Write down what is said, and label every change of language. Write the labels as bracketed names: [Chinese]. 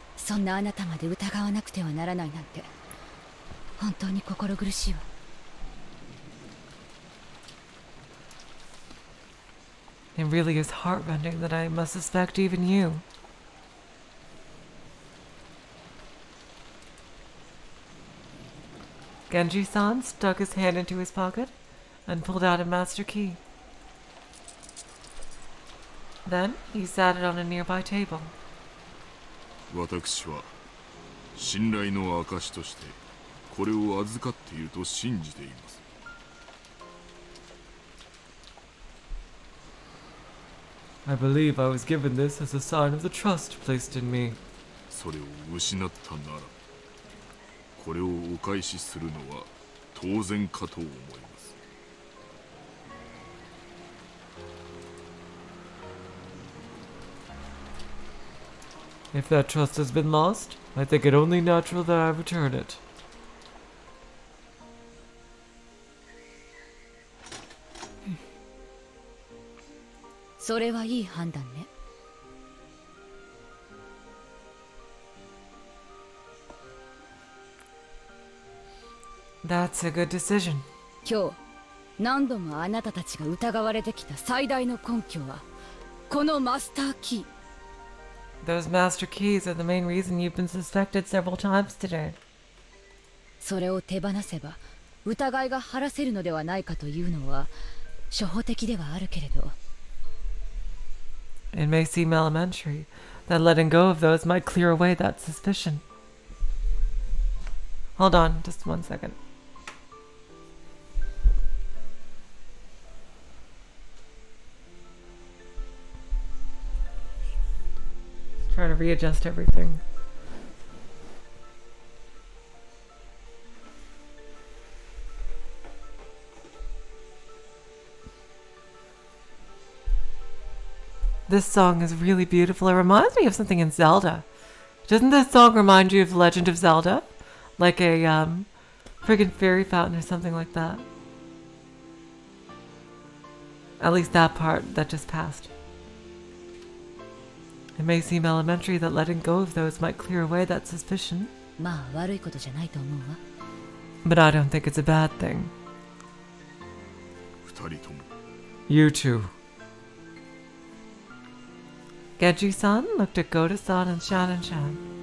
[Japanese] そんなあなたまで疑わなくてはならないなんて、本当に心苦しいわ。 [English] It really is heartrending that I must suspect even you. Genji-san stuck his hand into his pocket and pulled out a master key. Then he sat it on a nearby table. [Japanese] 私は信頼の証としてこれを預かっていると信じています。 [English] I believe I was given this as a sign of the trust placed in me. [Japanese] それを失ったなら、これをお返しするのは当然かと思います。 [English] If that trust has been lost, I think it only natural that I return it. [Japanese] それはいい判断ね。 [English] That's a good decision. [Japanese] 今日、何度もあなたたちが疑われてきた最大の根拠は、このマスターキー。 [English] Those master keys are the main reason you've been suspected several times today. [Japanese] それを手放せば、疑いが晴らせるのではないかというのは初歩的ではあるけれど。 [English] It may seem elementary that letting go of those might clear away that suspicion. Hold on, just one second. Trying to readjust everything. This song is really beautiful. It reminds me of something in Zelda. Doesn't this song remind you of Legend of Zelda? Like a friggin' fairy fountain or something like that? At least that part that just passed. It may seem elementary that letting go of those might clear away that suspicion. [Japanese] まあ悪いことじゃないと思うわ。 [English] But I don't think it's a bad thing. [Japanese] 二人とも。 [English] You two. Genji-san looked at Goda-san and Shannon-chan.